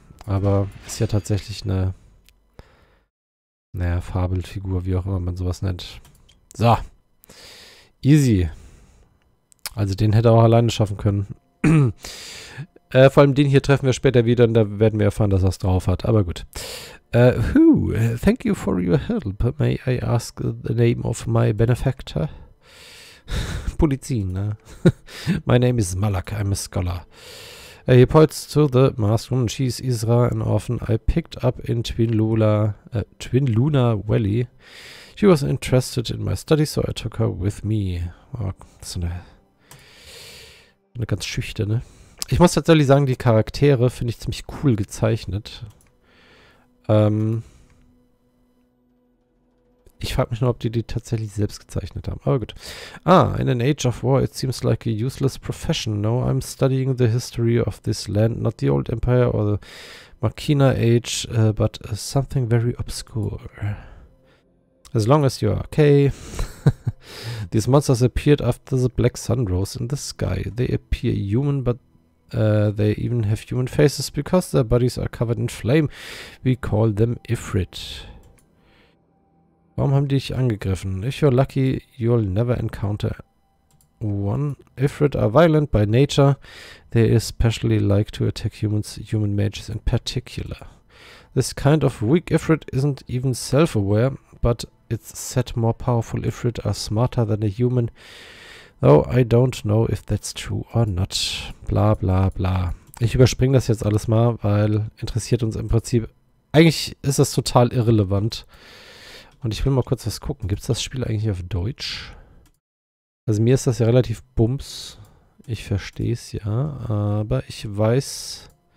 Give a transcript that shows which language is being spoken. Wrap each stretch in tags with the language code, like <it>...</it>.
<de>Aber ist ja tatsächlich eine, naja, Fabelfigur, wie auch immer man sowas nennt. So. Easy. Also den hätte er auch alleine schaffen können. vor allem den hier treffen wir später wieder und da werden wir erfahren, dass er es drauf hat. Aber gut.</de> <en>Thank you for your help. May I ask the name of my benefactor? Polizin, ne? My name is Malak. I'm a scholar. He points to the masked woman. She's Isra, an orphan I picked up in Twin Luna Valley. She was interested in my studies, so I took her with me.</en> <de>Oh, das ist eine ganz schüchterne. Ich muss tatsächlich sagen, die Charaktere finde ich ziemlich cool gezeichnet. Ich frage mich nur, ob die tatsächlich selbst gezeichnet haben. Aber gut.</de> <en>Ah, in an age of war, it seems like a useless profession. No, I'm studying the history of this land. Not the old empire or the Makina age, but something very obscure. As long as you are okay. These monsters appeared after the black sun rose in the sky. They appear human, but they even have human faces because their bodies are covered in flame. We call them Ifrit.</en> <de>Warum haben die dich angegriffen?</de> <en>If you're lucky, you'll never encounter one. Ifrit are violent by nature. They especially like to attack humans, human mages in particular. This kind of weak Ifrit isn't even self-aware, but it's said more powerful Ifrit are smarter than a human. Though I don't know if that's true or not. Bla bla bla.</en> <de>Ich überspringe das jetzt alles mal, weil interessiert uns im Prinzip. Eigentlich ist das total irrelevant. Und ich will mal kurz was gucken. Gibt es das Spiel eigentlich auf Deutsch? Also mir ist das ja relativ bums. Ich verstehe es ja. Aber ich weiß...</de>